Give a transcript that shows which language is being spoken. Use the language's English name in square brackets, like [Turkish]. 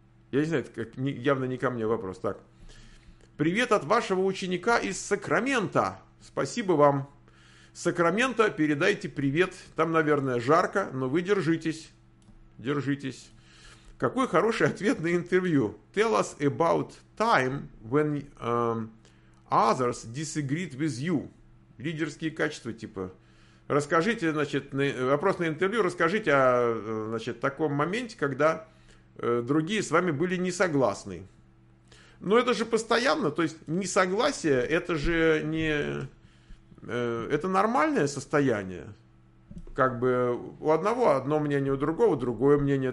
[Russian] Я не знаю, это как, явно не ко мне вопрос. Так. Привет от вашего ученика из Сакрамента. Спасибо вам. Сакрамента, передайте привет. Там, наверное, жарко, но вы держитесь. Держитесь. Какой хороший ответ на интервью. [English] Tell us about time when others disagreed with you. [Russian] Лидерские качества, типа. Расскажите, значит, вопрос на интервью, расскажите о, значит, таком моменте, когда другие с вами были не согласны. Но это же постоянно, то есть несогласие, это же не... Это нормальное состояние. Как бы у одного одно мнение, у другого другое мнение.